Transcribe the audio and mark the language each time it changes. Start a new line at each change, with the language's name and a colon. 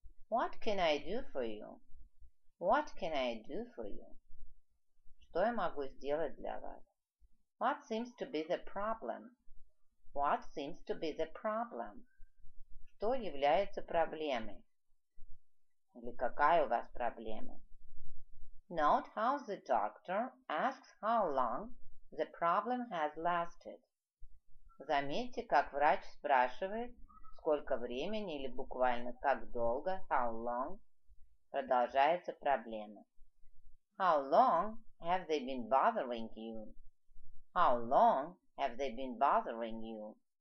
English: What can I do for you? What can I do for you?
Russian: Что я могу сделать для вас?
English: What seems to be the problem? What seems to be the problem?
Russian: Что является проблемой? Или какая у вас проблема?
English: Note how the doctor asks how long the problem has lasted.
Russian: Заметьте, как врач спрашивает, сколько времени или буквально как долго,
English: how long,
Russian: продолжается проблема.
English: How long have they been bothering you? How long have they been bothering you?